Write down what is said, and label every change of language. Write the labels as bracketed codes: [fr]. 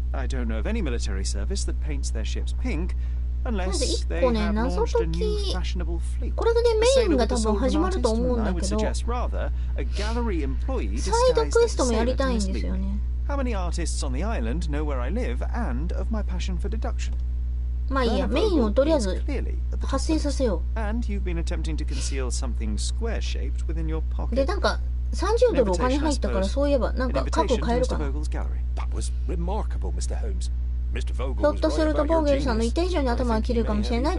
[en] I don't know of any military service that paints their ships pink unless they have launched a new fashionable fleet. [ja] これでメインが多分始まると思うんだけど。 [en] I would suggest rather a gallery employee disguised as a sailor. [ja] サイドクエストもやりたいんですよね。 [en] How many artists on the island know where I live and of my passion for deduction? [ja] まあいいや、メインをとりあえず発生させよう。で、なんか30ドルお金入ったから、そういえばなんか角を変えるかな。ひょっとするとボーゲルさんの言った以上に頭が切れるかもしれない。